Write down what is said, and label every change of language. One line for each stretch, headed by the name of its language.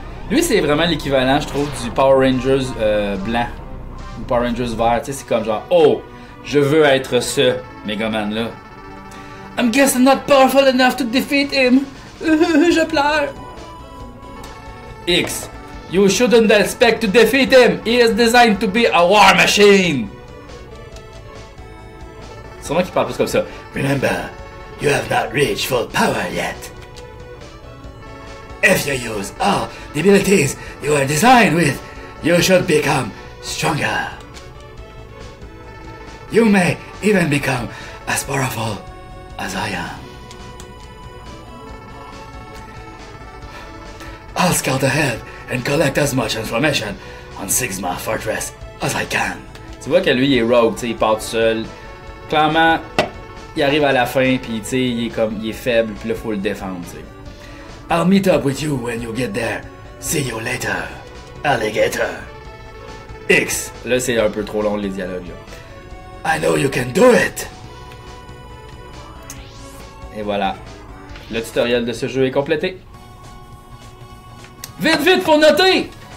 French: Lui, c'est vraiment l'équivalent, je trouve, du Power Rangers blanc. Ou Power Rangers vert, tu sais, c'est comme genre, oh, je veux être ce Mega Man-là.
English: I'm guessing not powerful enough to defeat him.
French: Je pleure.
English: X, you shouldn't expect to defeat him. He is designed to be a war machine.
French: C'est moi qui parle plus comme ça.
English: Remember, you have not reached full power yet. If you use all the abilities you are designed with, you should become stronger. You may even become as powerful as I am. I'll scout ahead and collect as much information on Sigma Fortress as I can.
French: Tu vois que lui, il est rogue, t'sais, il part tout seul. Clairement, il arrive à la fin, puis tu sais, il est faible, puis là, faut le défendre, tu sais.
English: I'll meet up with you when you get there. See you later, alligator. X.
French: Là, c'est un peu trop long, les dialogues, là.
English: I know you can do it.
French: Et voilà. Le tutoriel de ce jeu est complété. Vite, vite, faut noter!